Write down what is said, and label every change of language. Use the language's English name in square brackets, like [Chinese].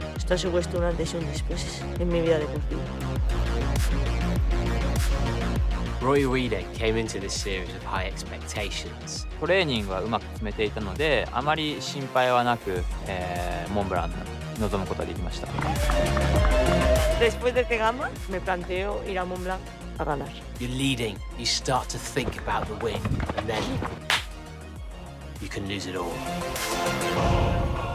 [Spanish] Esto ha supuesto un antes y un después en mi vida deportiva. [English] Roy Uide came into this series with high expectations. [Japanese] トレーニングはうまく詰めていたので、あまり心配はなく、モンブランに臨むことができました。 [Spanish] Después de Tegama, me planteo ir a Mont Blanc a ganar. [English] You're leading. You start to think about the win, and then you can lose it all.